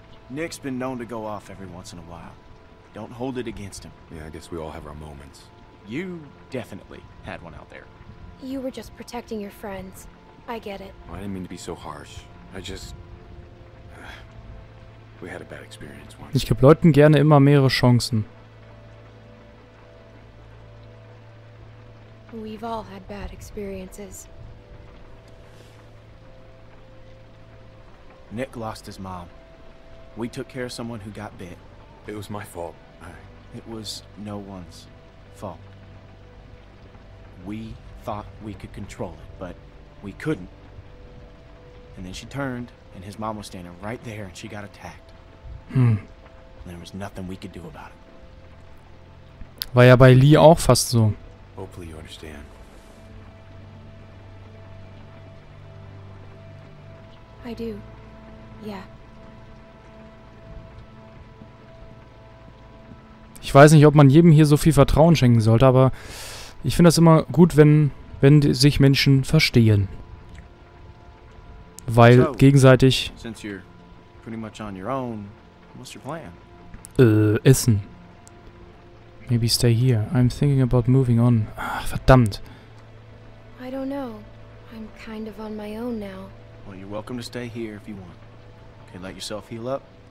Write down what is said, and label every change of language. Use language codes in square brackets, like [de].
[en] Nick's been known to go off every once in a while. Don't hold it against him. Yeah, I guess we all have our moments. You definitely had one out there. You were just protecting your friends. I get it. Well, I didn't mean to be so harsh. I just... we had a bad experience once. [de] Ich gebe Leuten gerne immer mehrere Chancen. [en] We've all had bad experiences. Nick lost his mom. We took care of someone who got bit. It was my fault. It was no one's fault. We thought we could control it, but we couldn't. And then she turned, and his mom was standing right there, and she got attacked. And there was nothing we could do about it. [de] War ja bei Lee auch fast so. [en] Hopefully you understand. I do. Yeah. [de] Ich weiß nicht, ob man jedem hier so viel Vertrauen schenken sollte, aber ich finde das immer gut, wenn sich Menschen verstehen. Weil so, gegenseitig... [en] since you're pretty much on your own, what's your plan? Essen. Maybe stay here. I'm thinking about moving on. [de] Ach, verdammt. [en] I don't know. I'm kind of on my own now. Well, you're welcome to stay here if you want. Okay, let yourself heal up.